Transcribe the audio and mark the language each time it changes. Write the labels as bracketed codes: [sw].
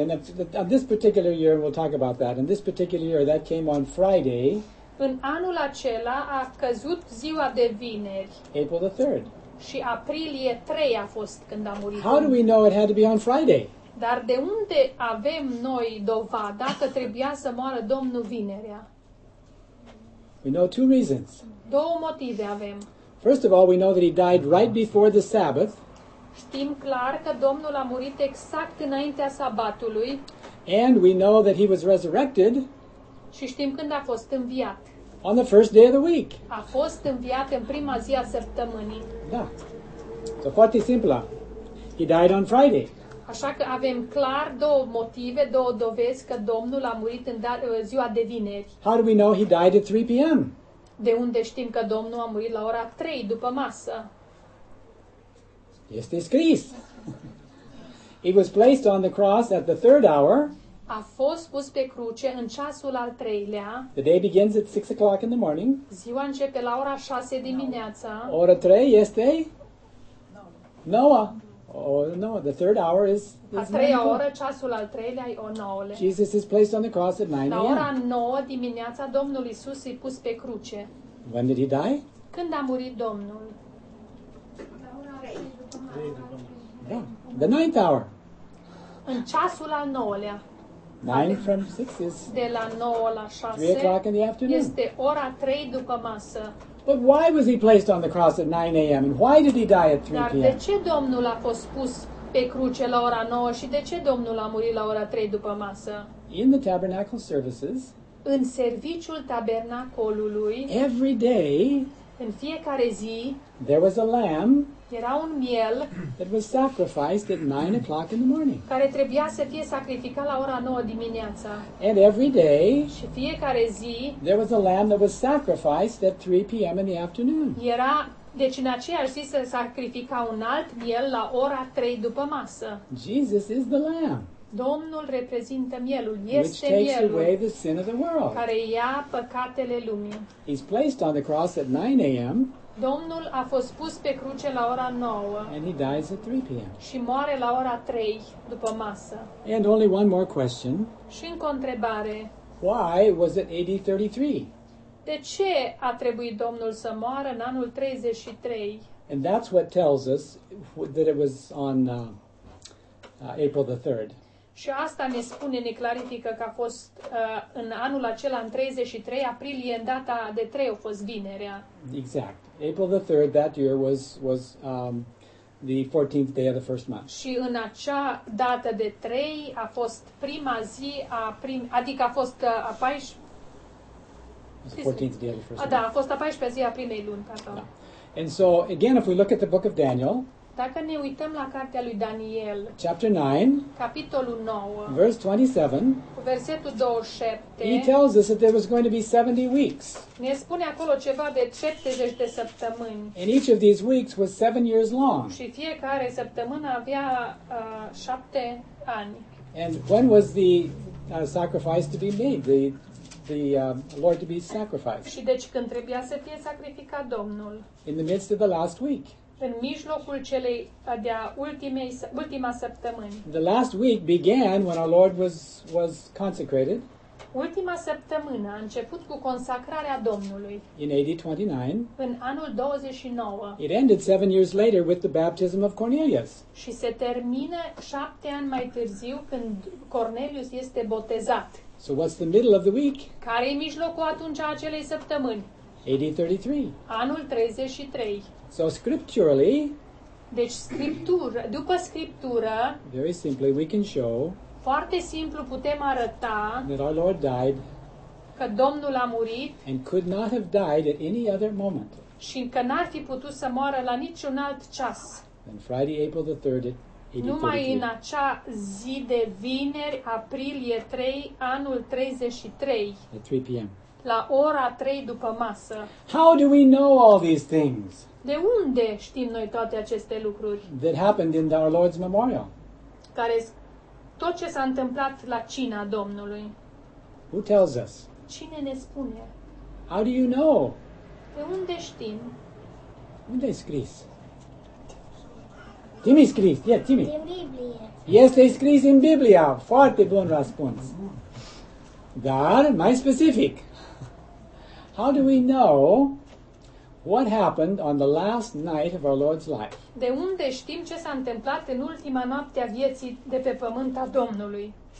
[en] And on this particular year, we'll talk about that. In this particular year, that came on Friday. [ro] În anul acela a căzut ziua de vineri. [en] April the 3rd. [ro] Și aprilie 3 a fost când a murit. [en] How do we know it had to be on Friday? [ro] Dar de unde avem noi dovada că trebuia să moară Domnul vinerea? [en] We know two reasons. [ro] Două motive avem. [en] First of all, we know that he died right before the Sabbath. [ro] Știm clar că Domnul a murit exact înaintea sabatului. [en] And we know that he was resurrected. [ro] Și știm când a fost înviat. [en] On the first day of the week. [ro] A fost înviat în prima zi a săptămânii. Da. [en] So [ro] foarte simplu. [en] He died on Friday. [ro] Așa că avem clar două motive, două dovezi că Domnul a murit în ziua de vineri. [en] How do we know he died at 3 p.m.? [ro] De unde știm că Domnul a murit la ora 3 după masă? Este scris. [en] He was placed on the cross at the third hour. [ro] A fost pus pe cruce în ceasul al treilea. [en] The day begins at 6 o'clock in the morning. [ro] Ziua începe la ora 6 dimineața. [en] No. [ro] Ora 3 este? Noua. [en] The third hour is [ro] a treia oră, ceasul al treilea e o nouăle. [en] Jesus is placed on the cross at 9 a.m. [ro] La ora 9 dimineața, Domnul Iisus e pus pe cruce. [en] When did he die? [ro] Când a murit Domnul? La ora [en] 3. The ninth hour. [ro] În ceasul al nouălea. [en] 9 from 6 is [ro] de la 9 la 6 [en] 3 o'clock in the afternoon. [ro] Este ora 3 după masă. [en] But why was he placed on the cross at 9 a.m. and why did he die at 3 p.m.? [ro] Dar de ce Domnul a fost pus pe cruce la ora 9 și de ce Domnul a murit la ora 3 după masă? [en] In the tabernacle services, [ro] în serviciul tabernacolului, [en] every day, [ro] în fiecare zi, [en] there was a lamb. [ro] Era un miel [en] that was sacrificed at 9 o'clock in the morning. [ro] Care trebuia să fie sacrificat la ora 9 dimineața. [en] And every day, [ro] și fiecare zi, [en] there was a lamb that was sacrificed at 3 p.m. in the afternoon. [ro] Era, deci în aceeași zi se sacrifica un alt miel la ora 3 după masă. [en] Jesus is the lamb. [ro] Domnul reprezintă mielul, este mielul. [en] Which takes away the sin of the world. [ro] Care ia păcatele lumii. [en] He's placed on the cross at 9 a.m. [ro] Domnul a fost pus pe cruce la ora 9. [en] And he dies at 3 p.m. [ro] Și moare la ora 3 după masă. [en] And only one more question. [ro] Și încă o întrebare. [en] Why was it AD 33? [ro] De ce a trebuit Domnul să moară în anul 33? [en] And that's what tells us that it was on April the 3rd. [ro] Și asta ne spune, ne clarifică că a fost în anul acela, în 33 aprilie, în data de 3 a fost vinerea. Exact. [en] April the 3rd that year was the 14th day of the first month. [ro] Și în acea dată de 3 a fost prima zi a adică a fost a [en] 14th day of the first month. [ro] Da, a fost a 14-a zi a primei luni, pardon. [en] And so again if we look at the book of Daniel, [ro] Dacă ne uităm la cartea lui Daniel, [en] chapter 9, [ro] capitolul 9, [en] verse 27, [ro] versetul 27, [en] he tells us that there was going to be 70 weeks. [ro] Ne spune acolo ceva de 70 de săptămâni. [en] And each of these weeks was 7 years long. [ro] Și fiecare săptămână avea 7 ani. [en] And when was the sacrifice to be made? The Lord to be sacrificed. [ro] Și deci când trebuia să fie sacrificat Domnul? [en] In the midst of the last week. [ro] În mijlocul celei de-a ultimei, ultima săptămâni. [en] The last week began when our Lord was consecrated. [ro] Ultima săptămână a început cu consacrarea Domnului. [en] In AD 29. [ro] În anul 29. [en] It ended 7 years later with the baptism of Cornelius. [ro] Și se termină 7 ani mai târziu când Cornelius este botezat. [en] So what's the middle of the week? [ro] Care e mijlocul atunci a acelei săptămâni? [en] AD 33. [ro] Anul 33. [en] So scripturally, [ro] deci scriptură, după scriptură, [en] very simply we can show, [ro] foarte simplu putem arăta, [en] that our Lord died, [ro] că Domnul a murit, [en] and could not have died at any other moment, [ro] și că n-ar fi putut să moară la niciun alt ceas, [en] on Friday, April the 3rd, at [ro] numai în acea zi de vineri, aprilie 3, anul 33, [en] at 3 p.m. [ro] la ora 3 după masă. [en] How do we know all these things? [ro] De unde știm noi toate aceste lucruri? [en] That happened in our Lord's memorial. [ro] Care tot ce s-a întâmplat la cina Domnului. [en] Who tells us? [ro] Cine ne spune? [en] How do you know? [ro] De unde știm? Unde e scris? Timi scris. [en] Yeah, [ro] Timi. În Biblie. Este scris în Biblia. Foarte bun răspuns. Dar mai specific. [en] How do we know what happened on the last night of our Lord's life? [ro] De unde știm ce s-a întâmplat în ultima noapte a vieții de pe pământ a Domnului?